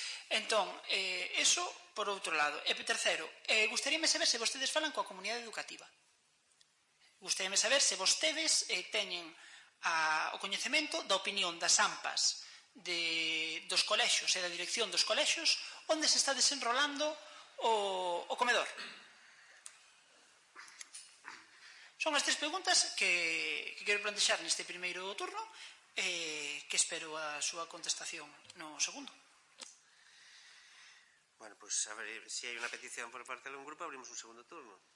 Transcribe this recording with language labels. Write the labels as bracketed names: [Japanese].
[Galician] Entón, eso por outro lado. E terceiro, gustaríame saber se vostedes falan coa comunidade educativa. Gustaríame saber se vostedes teñen o coñecemento da opinión das AMPAs dos colexios e da dirección dos colexios onde se está desenrolando o comedor. Son as tres preguntas que quero plantexar neste primeiro turno, que espero a súa contestación no segundo. [Spanish] Bueno, pues a ver, si hay una petición por parte de algún grupo, abrimos un segundo turno.